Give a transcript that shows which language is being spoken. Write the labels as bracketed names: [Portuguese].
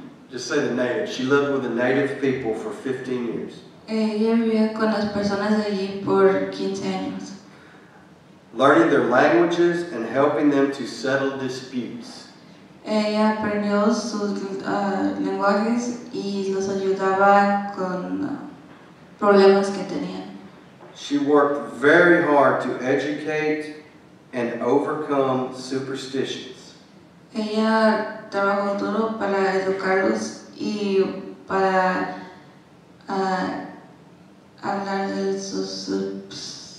[English] Just say the native. She lived with the native people for 15 years. [Spanish] Ella vivía con las personas de allí por 15 años. [English] Learning their languages and helping them to settle disputes. [Spanish] Ella aprendió sus lenguajes y los ayudaba con problemas que tenían. [English] She worked very hard to educate and overcome superstitions. [Spanish] Ella trabajó duro para educarlos y para hablar de sus